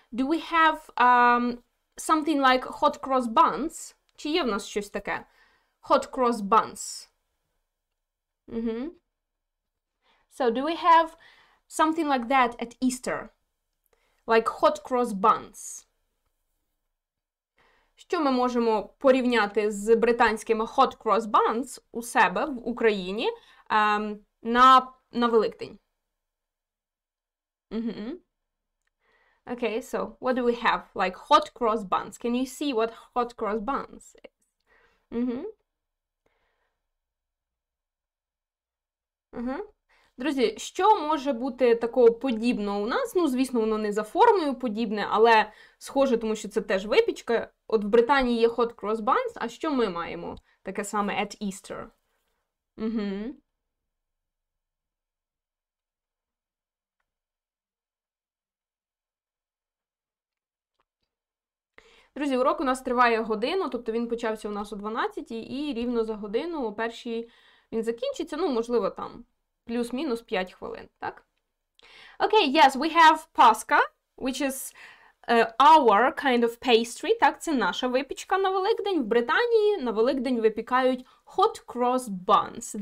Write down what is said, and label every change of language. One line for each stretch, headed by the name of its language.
English: Do we have something like hot cross buns?
Ukrainian: Чи є в нас щось таке? Hot cross buns. Mm-hmm.
English: So do we have something like that at Easter? Like hot cross buns.
Ukrainian: Що ми можемо порівняти з британськими hot cross buns у себе в Україні на Великдень?
English: Mm-hmm. Okay, so what do we have? Like hot cross buns. Can you see what hot cross buns is? Mm-hmm. Mm-hmm.
Ukrainian: Друзі, що може бути такого подібного у нас? Ну, звісно, воно не за формою подібне, але схоже, тому що це теж випічка. От в Британії є hot cross buns, а що ми маємо таке саме
English: at Easter?
Ukrainian: Угу. Друзі, урок у нас триває годину, тобто він почався у нас о 12-й, і рівно за годину о 1-й він закінчиться, ну, можливо, там. Плюс-мінус 5 хвилин, так?
English: Okay, yes, we have Pascha, which is our kind of pastry.
Ukrainian: Так, це наша випічка на Великдень. В Британії на Великдень випікають hot cross buns.